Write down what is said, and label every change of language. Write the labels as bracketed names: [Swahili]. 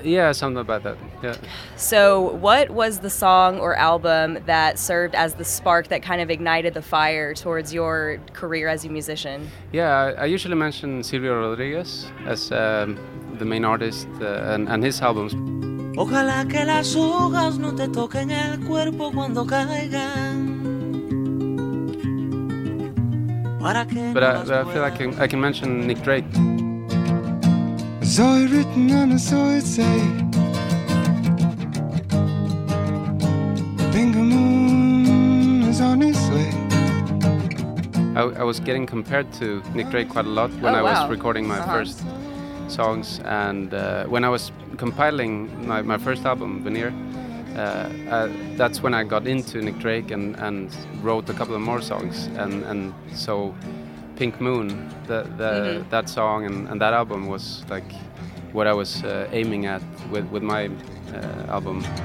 [English] Yeah, something about that, yeah. So what was the song or album that served as the spark that kind of ignited the fire towards your career as a musician? Yeah, I usually mention Silvio Rodriguez as the main artist and his albums. [Spanish] Ojalá que las hojas no te toquen el cuerpo cuando caigan. [English] But I feel like I can mention Nick Drake. Zoe written on a soil say. Bingo moon is on his way. I was getting compared to Nick Drake quite a lot when I was recording my first songs, and when I was compiling my first album, Veneer, that's when I got into Nick Drake and wrote a couple of more songs, and so Pink Moon, that song and that album was like what I was aiming at with my album.